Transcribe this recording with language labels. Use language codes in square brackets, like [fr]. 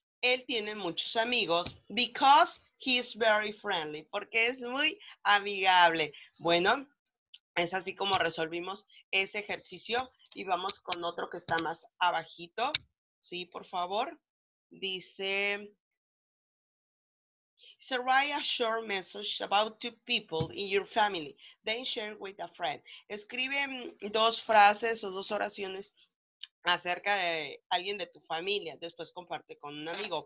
[es] Él tiene muchos amigos, [en] because he is very friendly, [es] porque es muy amigable. Bueno, es así como resolvimos ese ejercicio. Y vamos con otro que está más abajito. Sí, por favor. Dice, [en] so write a short message about two people in your family, then share with a friend. [es] Escribe dos frases o dos oraciones acerca de alguien de tu familia. Después comparte con un amigo.